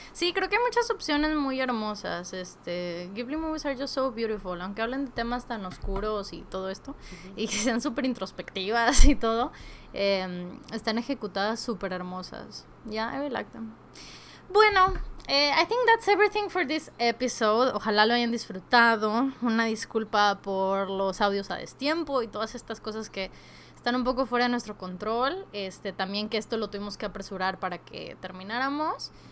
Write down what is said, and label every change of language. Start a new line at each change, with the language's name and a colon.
Spanish: Sí, creo que hay muchas opciones muy hermosas.
English: Ghibli movies are just so beautiful,
Spanish: aunque hablen de temas tan oscuros y todo esto, uh-huh. y que sean súper introspectivas y todo, están ejecutadas súper hermosas.
English: Yeah, I really like them. Bueno, I think that's everything for this episode.
Spanish: Ojalá lo hayan disfrutado. Una disculpa por los audios a destiempo y todas estas cosas que están un poco fuera de nuestro control. También que esto lo tuvimos que apresurar para que termináramos.